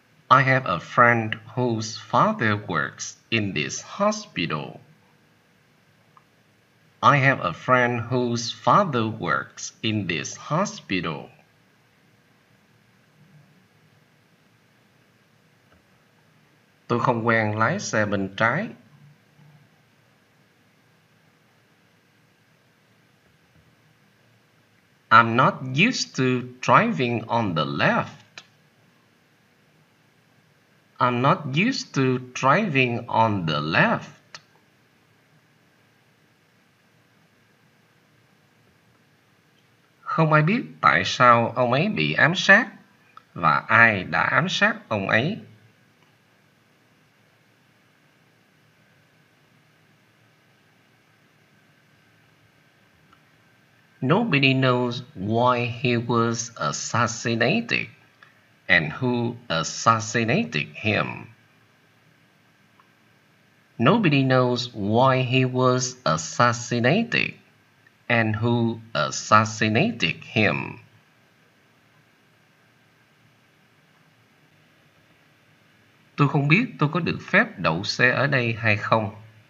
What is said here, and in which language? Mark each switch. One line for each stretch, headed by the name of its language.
English: I have a friend whose father works in this hospital. I have a friend whose father works in this hospital.
Vietnamese: Tôi không quen lái xe bên trái.
English: I'm not used to driving on the left. I'm not used to driving on the left.
Vietnamese: Không ai biết tại sao ông ấy bị ám sát và ai đã ám sát ông ấy.
English: Nobody knows why he was assassinated. And who assassinated him? Nobody knows why he was assassinated and who assassinated him.
Vietnamese: Tôi không biết tôi có được phép đậu xe ở đây hay không.